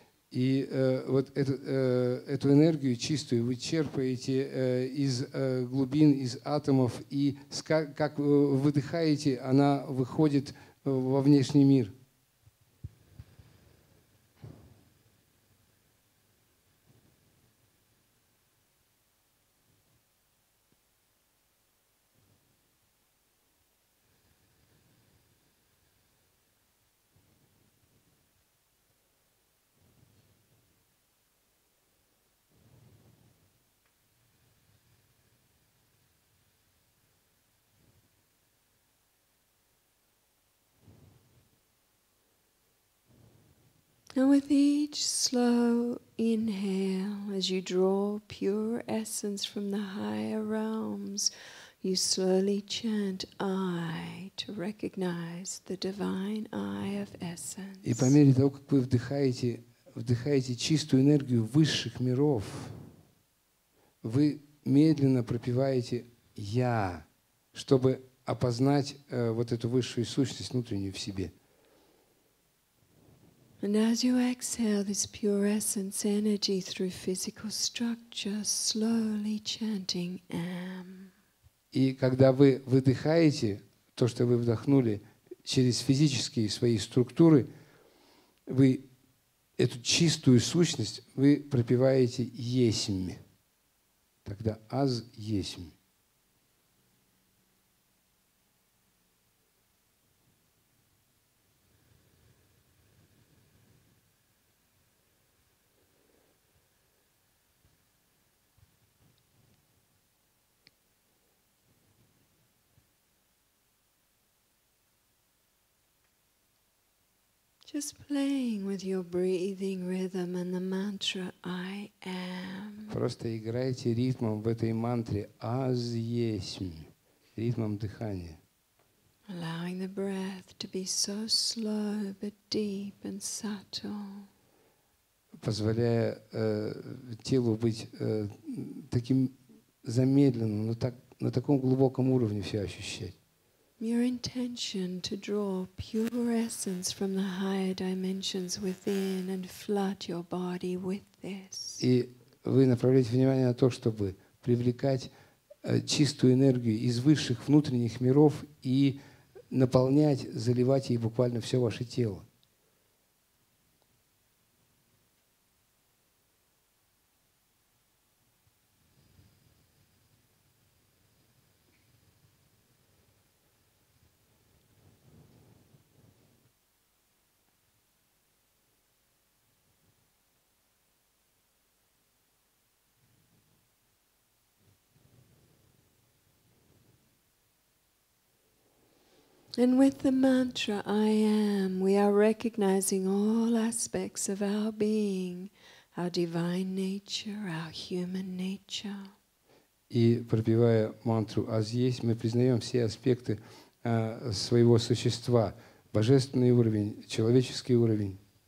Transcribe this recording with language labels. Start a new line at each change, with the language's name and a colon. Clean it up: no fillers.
Russian: И вот эту энергию чистую вы черпаете из глубин, из атомов, и как выдыхаете, она выходит во внешний мир.
English: And with each slow inhale, as you draw pure essence from the higher realms, you slowly chant I to recognize the divine eye of essence.
Russian: И по мере того, как вы вдыхаете чистую энергию высших миров, вы медленно пропеваете Я, чтобы опознать вот эту высшую сущность внутреннюю в себе.
English: And as you exhale this pure essence energy through physical structure, slowly chanting Am.
Russian: И когда вы выдыхаете то, что вы вдохнули через физические свои структуры, вы эту чистую сущность вы пропеваете Есмь. Тогда Аз Есмь.
English: Just playing with your breathing rhythm and the mantra I am.
Russian: Просто играйте ритмом в этой мантре Аз Есмь, ритмом дыхания.
English: Allowing the breath to be so slow but deep and subtle.
Russian: Позволяя телу быть таким замедленным, но так на таком глубоком уровне все ощущать.
English: Your intention to draw pure essence from the higher dimensions within and flood your body with this.
Russian: И вы направляете внимание на то, чтобы привлекать чистую энергию из высших внутренних миров и наполнять, заливать ей буквально все ваше тело.
English: And with the mantra I am, we are recognizing all aspects of our being, our divine nature, our human nature.
Russian: И пропевая мантру Аз Есть, мы признаем все аспекты своего существа, божественный уровень, человеческий уровень.